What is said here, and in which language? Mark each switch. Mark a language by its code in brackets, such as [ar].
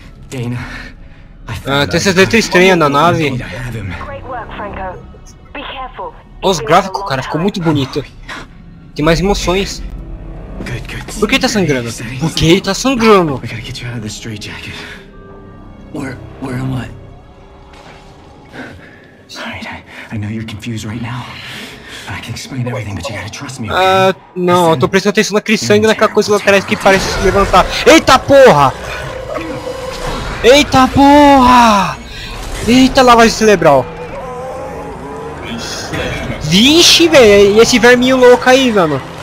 [pt] Dana. Tem essas letras estranhas na nave. Os gráficos, cara, ficou muito bonito. Tem mais emoções. Por que tá sangrando? Por que ele tá sangrando? [en] I gotta get you out of the straitjacket. Where am I? I know you're confused right now. I can explain everything, but you gotta trust me. [pt] Não, eu tô prestando atenção naquele sangue, naquela coisa lateral que parece se levantar. Eita porra! Eita porra! Eita lavagem cerebral! Vixe, velho! E esse verminho louco aí, mano?